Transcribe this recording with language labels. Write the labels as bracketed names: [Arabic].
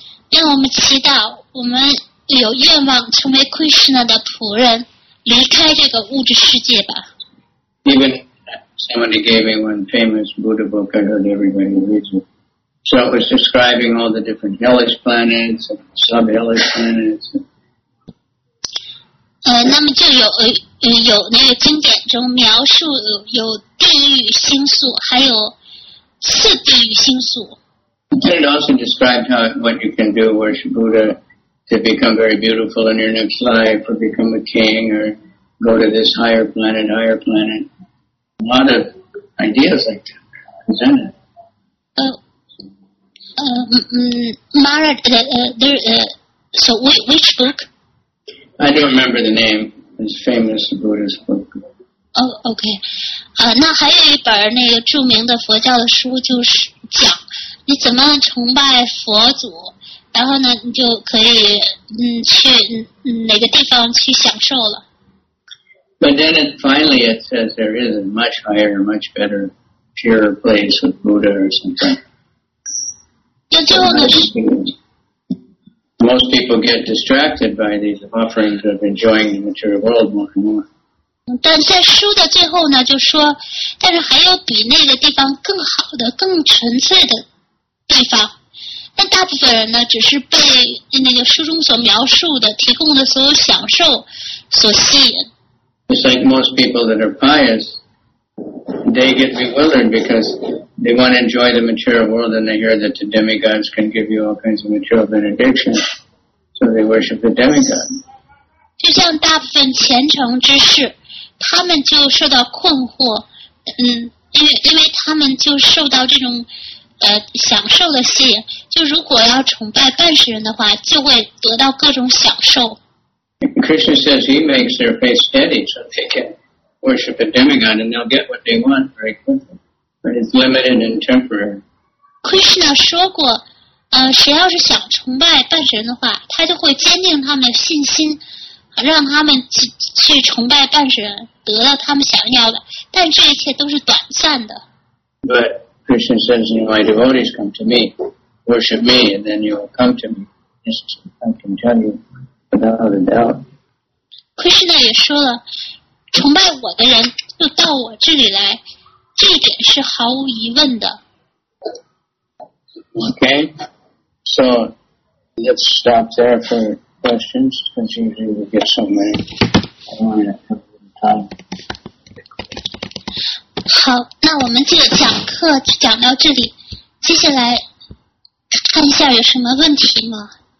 [Chinese] 让我们祈祷，我们。有愿望成为 Krishna 的仆人，离开这个物质世界吧。 [English] Even somebody gave me one famous Buddha book. I heard everybody read it. So it was describing all the different hellish planets and sub-hellish planets. 那么就有有那个经典中描述有地狱星宿，还有次地狱星宿。 It also described how what you can do worship Buddha to become very beautiful in your next life, or become a king, or go to this higher planet, higher planet. A lot of ideas like that, isn't it? So which book? I don't remember the name. It's a famous Buddhist book. Oh, okay. [Chinese] 那还有一本那个著名的佛教的书，就是讲你怎么样崇拜佛祖，然后呢，你就可以去哪个地方去享受了。 [English] But then it, finally it says there is a much higher, much better, purer place with Buddha or something. [Chinese] 那最后呢是。 [English] Most people get distracted by these offerings of enjoying the material world more and more. [Chinese] 但在书的最后呢，就说，但是还有比那个地方更好的、更纯粹的地方。那大部分人呢，只是被那个书中所描述的、提供的所有享受所吸引。 [English] It's like most people that are pious, they get bewildered because they want to enjoy the material world and they hear that the demigods can give you all kinds of material benediction. So they worship the demigod. [Chinese] 就像大部分虔诚之士，他们就受到困惑，因为他们就受到这种享受的吸引，就如果要崇拜半世人的话，就会得到各种享受。 [English] Krishna says he makes their faith steady so they can worship a demigod and they'll get what they want very quickly. It's limited and temporary. [Chinese] Krishna 说过，谁要是想崇拜半神的话，他就会坚定他们的信心，让他们去崇拜半神，得到他们想要的。但这一切都是短暂的。 [English] But Krishna says, you know, my devotees come to me, worship me, and then you'll come to me. This is, I can tell you without a doubt. [Chinese] Krishna 也说了，崇拜我的人就到我这里来。这一点是毫无疑问的。 [English] Okay, so let's stop there for questions, because usually we get so many. I want to have time. [Chinese] 好，那我们这个讲课就讲到这里。接下来看一下有什么问题吗